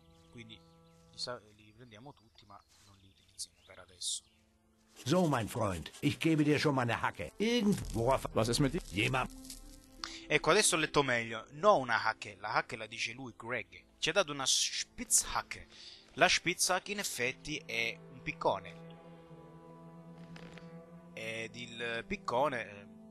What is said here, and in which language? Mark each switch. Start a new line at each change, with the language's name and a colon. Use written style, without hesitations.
Italian: Quindi li prendiamo tutti, ma non li utilizziamo per adesso.
German: So mein Freund, ich gebe dir schon meine Hacke. Irgendwo was ist mit dir? Jemand.
Italian: Ecco, adesso ho letto meglio. No, una hacke. La hacke la dice lui, Greg. Ci ha dato una Spitzhacke. La Spitzhacke, in effetti, è un piccone. Ed il piccone...